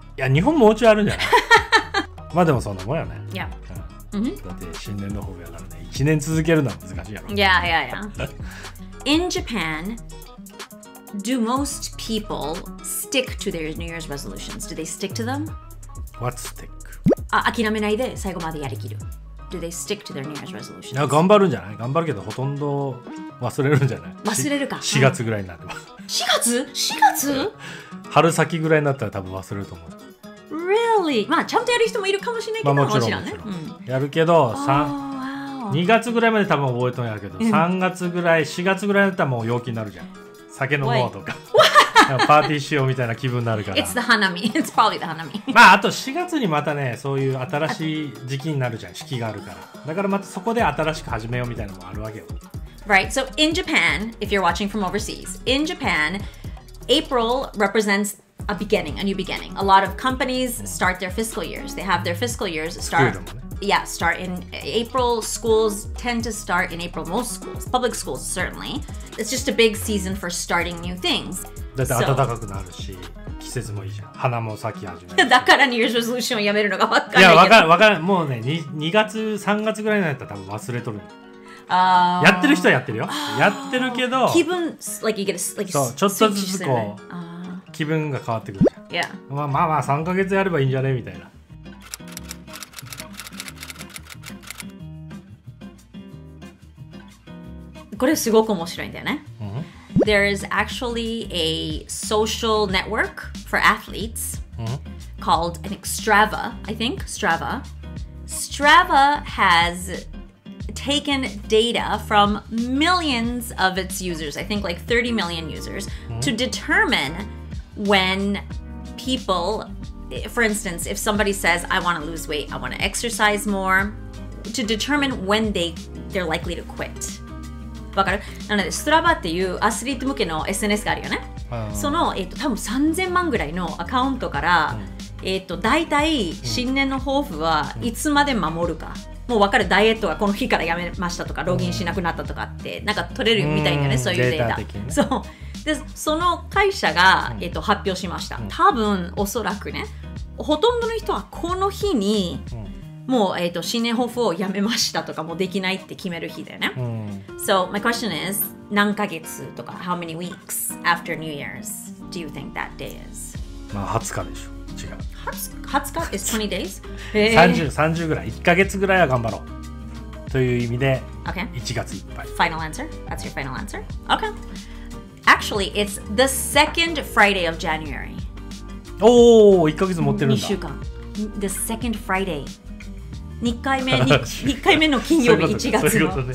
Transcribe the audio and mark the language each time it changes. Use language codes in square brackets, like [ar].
[ja] いや、日本ももちろんあるんじゃない?まあでもそんなもんよね。 [en] Yeah. In Japan, do most people stick to their New Year's resolutions? Do they stick to them? What stick? [ja] 諦めないで最後までやりきる。 [en] Do they stick to their New Year's resolutions? [ja] いや、頑張るんじゃない?頑張るけどほとんど忘れるんじゃない? 忘れるか。 4月ぐらいになってます。4月?4月? 春先ぐらいになったら多分忘れると思う。 [en] Really? [ja] まあちゃんとやる人もいるかもしれないけど、まあ、もちろんね、うん、やるけど、2月ぐらいまで多分覚えとんやけど、3月ぐらい、4月ぐらいだったらもう陽気になるじゃん。酒飲もうとか、パーティーしようみたいな気分になるから。 [en] It's the hanami. It's probably the hanami. [ja] まああと4月にまたね、そういう新しい時期になるじゃん、四季があるから。だからまたそこで新しく始めようみたいなのもあるわけよ。 [en] Right, so in Japan, if you're watching from overseas, in Japan, April represents... A beginning, a new beginning. A lot of companies start their fiscal years. They have their fiscal years start, yeah, start in April. Schools tend to start in April, most schools, public schools certainly. It's just a big season for starting new things. [ja] だって暖かくなるし、季節もいいじゃん。花も咲き始める。だから [en] New Year's resolution [ja] をやめるのが分からない。いや、分からない。もうね、2月、3月ぐらいになったら多分忘れとる。やってる人はやってるよ。やってるけど、 [en] 気分、like you get a, like, [ja] そう、ちょっとずつこう。気分が変わってくる。 [en] Yeah. [ja] まあ3ヶ月やればいいんじゃねみたいな。これすごく面白いんだよね。 Mm-hmm. [en] There is actually a social network for athletes、 mm-hmm. called an Strava, I think. Strava has taken data from millions of its users, I think like 30 million users, to determine when people, for instance, if somebody says, I want to lose weight, I want to exercise more, to determine when they're likely to quit. [ja] わかる？なので、ストラバっていうアスリート向けの SNS があるよね。その、多分3000万ぐらいのアカウントから、大体新年の抱負はいつまで守るか、もう分かる、ダイエットはこの日からやめましたとか、ログインしなくなったとかって、なんか取れるみたいだよね、そういうデータ。データ的に。そう。で、その会社が、発表しました。多分、おそらくね、ほとんどの人はこの日に、もう、新年抱負をやめましたとか、もうできないって決める日だよね。 [en] So, my question is, [ja] 何ヶ月とか、 [en] how many weeks after New Year's do you think that day is? [ja] まあ、20日でしょ。 [en] 20日 is 20 days? [ja] 30ぐらい、1ヶ月ぐらいは頑張ろうという意味で、1月いっぱい。 [en] Okay. Final answer? That's your final answer? Okay. Actually, it's the second Friday of January. [ja] おお、1ヶ月持ってるんだ。 2週間。 [en] The second Friday. [ja] 2回目の金曜日、1月の。そういうことね。